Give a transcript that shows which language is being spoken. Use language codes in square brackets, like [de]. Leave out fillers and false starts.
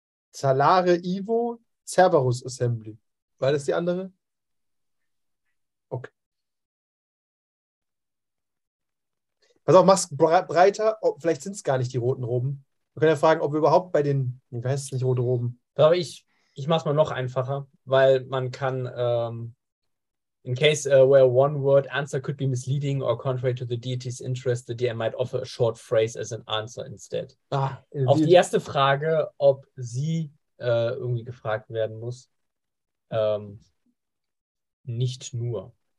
[de] Zalare Ivo Cerberus Assembly. War das die andere? Okay. Pass auf, mach's breiter. Vielleicht sind es gar nicht die roten Roben. Wir können ja fragen, ob wir überhaupt bei den... Wie heißt es nicht, rote Roben? Aber ich mach's mal noch einfacher, weil man kann... [en] In case where one word answer could be misleading or contrary to the deity's interest, the DM might offer a short phrase as an answer instead. [de] Auf die erste Frage, ob sie irgendwie gefragt werden muss, nicht nur.